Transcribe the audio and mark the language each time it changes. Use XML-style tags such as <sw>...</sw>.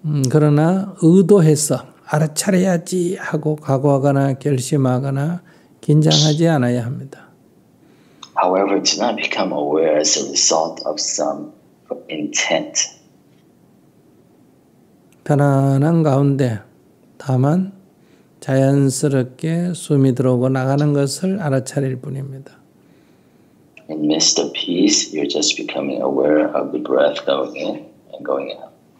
<ko>그러나 의도해서 알아차려야지 하고 각오하거나 결심하거나 긴장하지 않아야 합니다.</ko> <en>However, do not become aware as a result of some intent.</en> <ko>편안한 가운데 다만 자연스럽게 숨이 들어오고 나가는 것을 알아차릴 뿐입니다.</ko> <en>In midst of peace, you're just becoming aware of the breath going in and going out.</en>